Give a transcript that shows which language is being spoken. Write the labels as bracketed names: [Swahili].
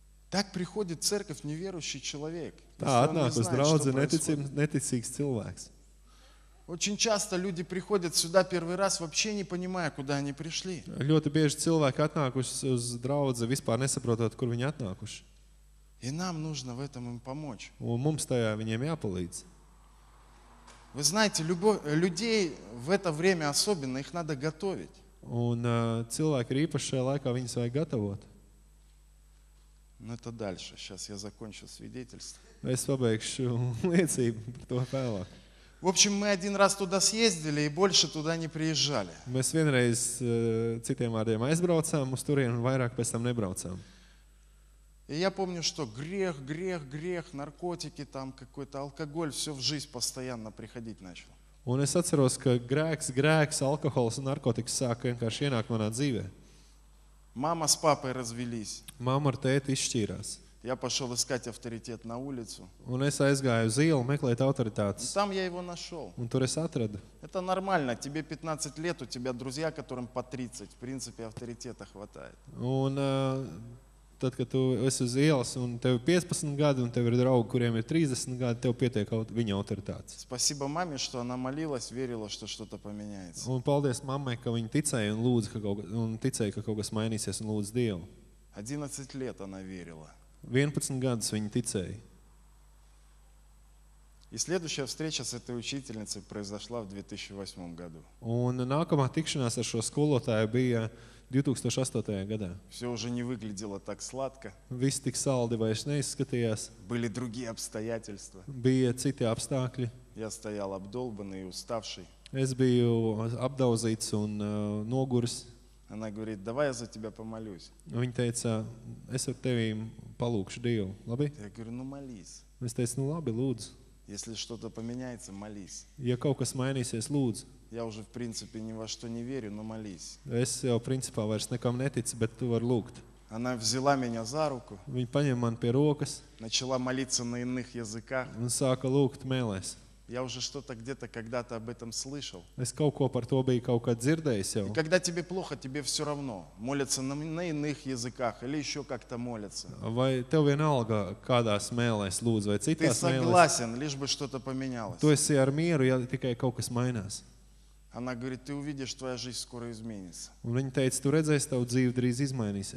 [Russian] Так приходит церковь неверующий человек. [Latvian] Tā atnāk uz draudzi neticīgs cilvēks. [Russian] Очень часто люди приходят сюда первый раз, вообще не понимая, куда они пришли. [Latvian] Ļoti bieži cilvēki atnākuši uz draudzi, vispār nesaprotot, kur viņi atnākuši. [Russian] И нам нужно в этом им помочь. [Latvian] Un mums tajā viņiem jāpalīdz. [Russian] Вы знаете, людей в это время особенно, их надо готовить. [Latvian] Un cilvēki ir īpašajā laikā, viņus vajag gatavot. [Russian] Ну это дальше, сейчас я закончу свидетельство. [Latvian] Es pabeigšu liecību par to vēlāk. [Russian] В общем, мы один раз туда съездили и больше туда не приезжали. [Latvian] Mēs vienreiz citiem vārdiem aizbraucām uz turienu un vairāk pēc tam nebraucām. [Russian] И я помню, что грех, грех, грех, наркотики, там какой-то алкоголь, все в жизнь постоянно приходить начало. [Latvian] Un es atceros, ka grēks, grēks, alkohols un narkotikas sāka vienkārši ienākt manā dzīvē. [Russian] Mama с папой развелись. [Latvian] Mama ar tēti izšķīrās. [Russian] Я пошел искать авторитет на улицу. [Latvian] Un es aizgāju uz ielu meklēt autoritātes. [Russian] Там я его нашел. [Latvian] Un tur es atradu. [Russian] Это нормально, тебе 15 лет, у тебя друзья, которым по 30. В принципе, авторитета хватает. [Latvian] Un Tad, kad tu esi uz ielas un tev 15 gadi un tev ir draugi, kuriem ir 30 gadi, tev pietiek viņa autoritātes. [Russian] Спасибо маме, что она молилась, верила, что что-то поменяется. [Latvian] Un paldies mammai, ka viņa ticēja un lūdza, ka kaut un ticēja, ka kaut kas mainīsies un lūdza Dievu. [Russian] 11 лет она верила. [Latvian] 11 gadus viņa ticēja. [Russian] И следующая встреча с этой учительницей произошла в 2008 году. [Latvian] Un nākamā tikšanās ar šo skolotāju bija 2008. Gadā. [Russian] Все уже не выглядело так сладко. [Latvian] Viss tik saldi vairs neizskatījās. [Russian] Были другие обстоятельства. [Latvian] Bija citi apstākļi. [Russian] Я стоял обдолбанный и уставший. [Latvian] Es biju apdauzīts un noguris. [Russian] Она говорит: "Давай я за тебя помолюсь". [Latvian] Viņa teica: "Es ar tevi palūkšu Dievu". Labi? [Russian] Я говорю: "Ну молись". [Latvian] Es teicu: "Nu labi, lūdzu". [Russian] Если что-то поменяется, молись. [Latvian] Ja kaut kas mainīsies, lūdzu. [Russian] Я уже в принципе ни во что не верю, но молись. [Latvian] Es jau principā vairs nekam neticu, bet tu var lūgt. [Russian] Она взяла меня за руку. [Latvian] Viņa paņēma man pie rokas. [Russian] Начала молиться на иных языках. [Latvian] Un sāka lūgt mēlēs. [Russian] Я уже что-то где-то когда-то об этом слышал. [Latvian] Es kaut ko par to biju kaut kā dzirdējis jau. [Russian] И когда тебе плохо, тебе все равно. Молятся на иных языках или еще как-то молятся. [Latvian] Vai tev vienalga, kādās mēlēs lūdzu vai citās mēlēs? [Russian] Ты согласен, лишь бы что-то поменялось. [Latvian] Tu esi ar mieru, ja tikai kaut kas mainās. [Russian] Она говорит: "Ты увидишь, твоя жизнь скоро изменится". [Latvian] Un viņa teica: "Tu redzēsi, tavu dzīvi drīz izmainīsies".